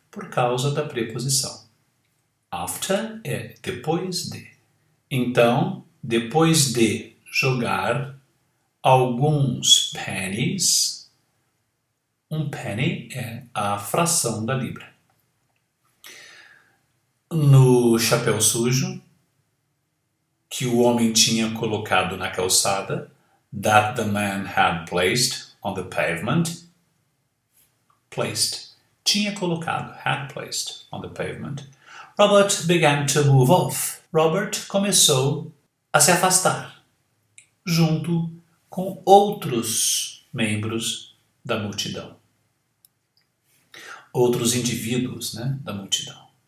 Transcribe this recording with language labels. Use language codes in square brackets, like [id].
[pt] Por causa da preposição. After é depois de. Então, depois de jogar alguns pennies, um penny é a fração da libra. No chapéu sujo que o homem tinha colocado na calçada, [en] that the man had placed on the pavement, placed, [pt] tinha colocado, [en] had placed on the pavement, Robert began to move off. [pt] Robert começou a se afastar junto com outros membros da multidão. Outros indivíduos, né, da multidão.